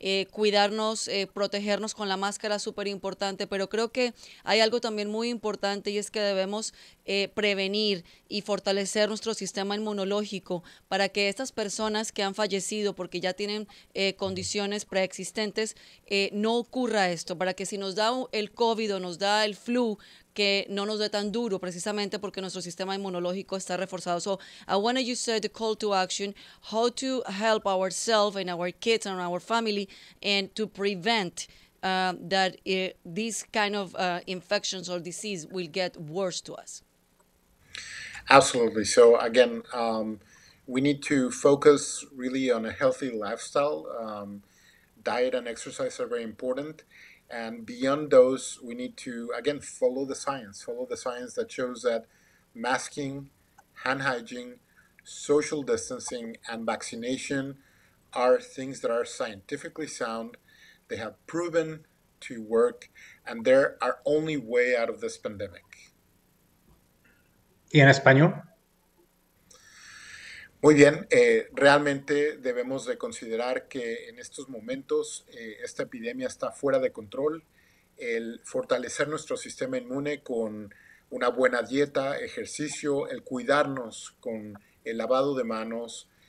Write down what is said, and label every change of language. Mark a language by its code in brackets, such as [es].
[es] cuidarnos, protegernos con la máscara es súper importante, pero creo que hay algo también muy importante y es que debemos prevenir y fortalecer nuestro sistema inmunológico para que estas personas que han fallecido porque ya tienen condiciones preexistentes, no ocurra esto, para que si nos da el COVID o nos da el flu, que no nos dé tan duro precisamente porque nuestro sistema inmunológico está reforzado. [en] So, I want to use the call to action, how to help ourselves and our kids and our family and to prevent that these kind of infections or disease will get worse to us. Absolutely. So again, we need to focus really on a healthy lifestyle. Diet and exercise are very important. And beyond those, we need to, again, follow the science that shows that masking, hand hygiene, social distancing, and vaccination are things that are scientifically sound. They have proven to work, and they're our only way out of this pandemic. [es] ¿Y en español? Muy bien, realmente debemos de considerar que en estos momentos esta epidemia está fuera de control. El fortalecer nuestro sistema inmune con una buena dieta, ejercicio, el cuidarnos con el lavado de manos,